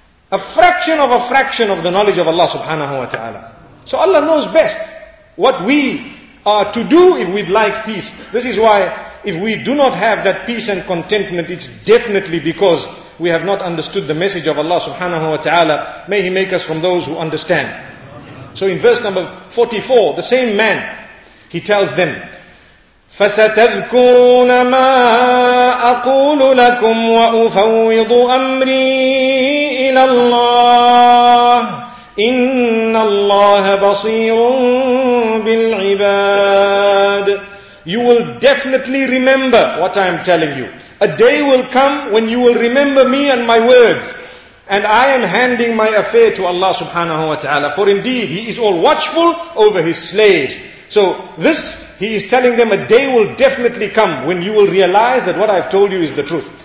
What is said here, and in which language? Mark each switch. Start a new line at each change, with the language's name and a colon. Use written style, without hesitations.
English: A fraction of a fraction of the knowledge of Allah subhanahu wa ta'ala. So Allah knows best what we are to do if we'd like peace. This is why if we do not have that peace and contentment, it's definitely because we have not understood the message of Allah subhanahu wa ta'ala. May He make us from those who understand. So in verse number 44, the same man, he tells them,
Arabic: فَسَتَذْكُرُونَ مَا أَقُولُ لَكُمْ وَأُفَوِّضُ أَمْرِي إِلَى اللَّهِ إِنَّ اللَّهَ بَصِيرٌ بِالْعِبَادِ.
English: You will definitely remember what I am telling you. A day will come when you will remember me and my words. And I am handing my affair to Allah subhanahu wa ta'ala. For indeed, He is all watchful over His slaves. So this, He is telling them, a day will definitely come when you will realize that what I have told you is the truth.